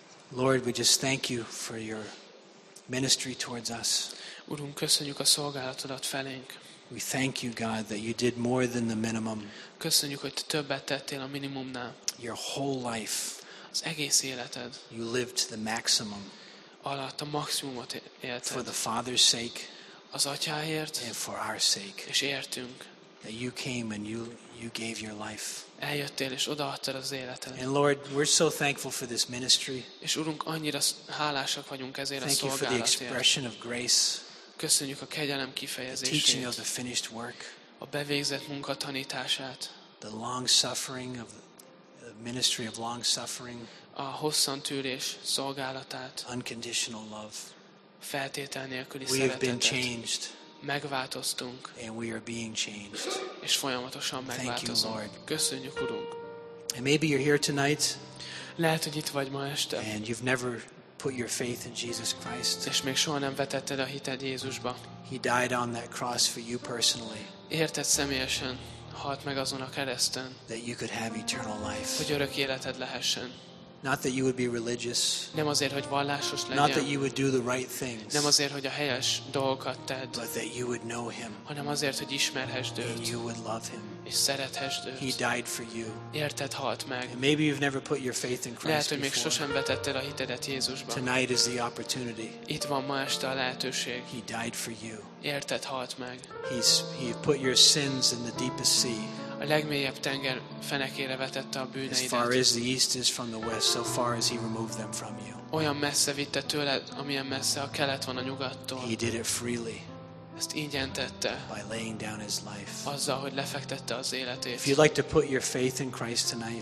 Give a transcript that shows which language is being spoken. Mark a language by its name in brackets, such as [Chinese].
[English] Lord, we just thank you for your ministry towards us. [Hungarian] Urunk, köszönjük a szolgálatodat felénk. [English] We thank you, God, that you did more than the minimum. [Hungarian] Köszönjük, hogy te többet tettél a minimumnál. [English] Your whole life. [Hungarian] Az egész életed. [English] You lived to the maximum. [Hungarian] Alatt a maximumot élted. [English] For the Father's sake. [Hungarian] Az Atyáért. [English] And for our sake. [Hungarian] És értünk. [English] That you came and you gave your life. [Hungarian] Eljöttél és odaadtad az életedet. [English] And Lord, we're so thankful for this ministry. [Hungarian] És Urunk, annyira hálásak vagyunk ezért [English] Thank [Hungarian] a szolgálatért. [English] Thank you for the expression of grace. [Hungarian] Köszönjük a kegyelem kifejezését. [English] The teaching of the finished work. [Hungarian] A bevégzett munka tanítását. [English] The long suffering of the ministry of long suffering. [Hungarian] A hosszantűrés szolgálatát. [English] Unconditional love. [Hungarian] Feltétel nélküli [English] we [Hungarian] szeretetet. [English] We have been changed. [Hungarian] Megváltoztunk. [English] And we are being changed. [Hungarian] És folyamatosan megváltozunk. [English] Thank you, Lord. [Hungarian] Köszönjük, Urunk. [English] And maybe you're here tonight. [Hungarian] Lehet, hogy itt vagy ma este. [English] And you've never put your faith in Jesus Christ. [Hungarian] És még soha nem vetetted a hited Jézusba. [English] He died on that cross for you personally. [Hungarian] Érted személyesen, halt meg azon a kereszten. [English] That you could have eternal life. [Hungarian] Hogy örök életed lehessen. [English] Not that you would be religious. [Hungarian] Nem azért, hogy vallásos legyen. [English] Not that you would do the right things. [Hungarian] Nem azért, hogy a helyes dolgokat tedd. [English] But that you would know him. [Hungarian] Hanem azért, hogy ismerhesd őt. [English] And you would love him. [Hungarian] És szerethesd őt. [English] He died for you. [Hungarian] Érted, halt meg. [English] And maybe you've never put your faith in Christ [Hungarian] Lehet, hogy [English] before. [Hungarian] Még sosem betetted a hitedet Jézusba. [English] Tonight is the opportunity. [Hungarian] Itt van ma este a lehetőség. [English] He died for you. [Hungarian] Érted, halt meg. [English] He put your sins in the deepest sea. [Hungarian] A legmélyebb tenger fenekére vetette a bűneidet. [English] As far as the east is from the west, so far as he removed them from you. [Hungarian] Olyan messze vitte tőled, amilyen messze a kelet van a nyugattól. [English] He did it freely. [Hungarian] Ezt ingyen tette. [English] By laying down his life. [Hungarian] Azzal, hogy lefektette az életét. [English] If you'd like to put your faith in Christ tonight.